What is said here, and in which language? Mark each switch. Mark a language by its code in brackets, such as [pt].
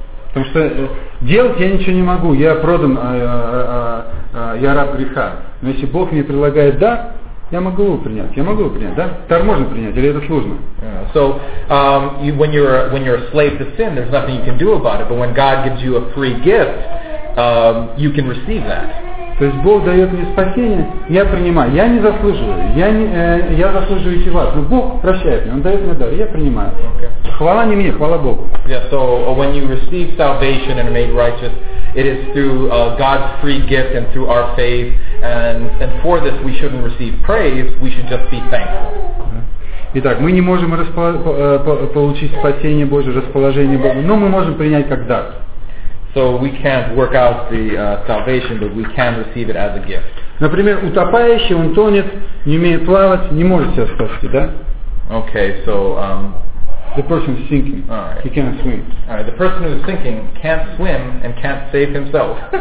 [ru] Потому что делать я ничего не могу. Я продан, я раб греха. Но если Бог мне предлагает дар, я могу его принять. Я могу его принять, да? Дар можно принять, или это сложно? [en] Yeah. So when you're a slave to sin, there's nothing you can do about it. But when God gives you a free gift, you can receive that. [ru] То есть Бог дает мне спасение, я принимаю. Я не заслуживаю. Я заслуживаю идти в ад. Но Бог прощает меня, Он дает мне дар, я принимаю. [en] Okay. [ru] Хвала не мне, хвала Богу. [en] Yeah, so when you receive salvation and are made righteous, it is through God's free gift and through our faith. And for this we shouldn't receive praise, we should just be thankful. [ru] Итак, мы не можем получить спасение Божие, расположение Бога, но мы можем принять как дар. [en] So we can't work out the salvation, but we can receive it as a gift. [ru] Например, утопающий, он тонет, не умеет плавать, не может себя спасти, да? [en] Okay, so the person is sinking. All right. He can't swim. All right, the person who is sinking can't swim and can't save himself.